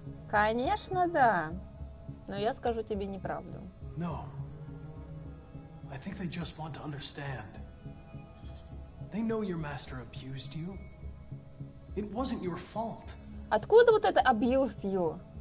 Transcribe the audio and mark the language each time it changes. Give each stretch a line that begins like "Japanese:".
Russian: Конечно, да. Но я скажу тебе неправду.
English: No. I think they just want to understand. They know your master abused you. It wasn't your fault.
Russian: Откуда вот это
English: abused you?